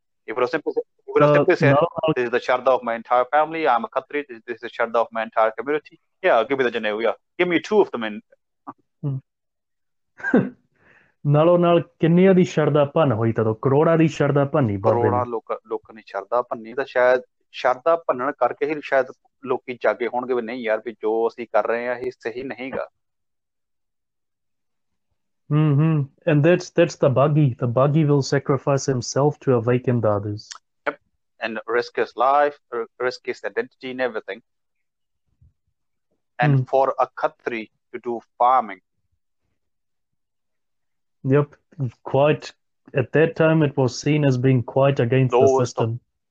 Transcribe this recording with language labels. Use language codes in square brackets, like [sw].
[en] This is the Sharda of my entire family. I'm a Khatri. This is the Sharda of my entire community. Yeah, give me the Janeu. Yeah, give me two of them. In [pa] ਨਾਲੋ ਨਾਲ ਕਿੰਨੀਆਂ ਦੀ ਸ਼ਰਧਾ ਭੰਨ ਹੋਈ ਤਦੋਂ ਕਰੋੜਾਂ ਦੀ ਸ਼ਰਧਾ ਭੰਨੀ ਬਾਬੇ ਕਰੋੜਾਂ ਨੇ ਲੋਕਾਂ ਨੇ ਸ਼ਰਧਾ ਭੰਨੀ, ਤਾਂ ਸ਼ਾਇਦ ਸ਼ਰਧਾ ਭੰਨਣ ਕਰਕੇ ਹੀ ਸ਼ਾਇਦ ਲੋਕੀ ਜਾਗੇ ਹੋਣਗੇ ਵੀ ਨਹੀਂ ਯਾਰ, ਵੀ ਜੋ ਅਸੀਂ ਕਰ ਰਹੇ ਹਾਂ ਇਹ ਸਹੀ ਨਹੀਂ ਗਾ. [en] And that's the baagi the baagi will sacrifice himself to awaken the others And risk his life, risk his identity and everything. And for a Khatri to do farming. Yep, quite. At that time, it was seen as being quite against the Lowest of system.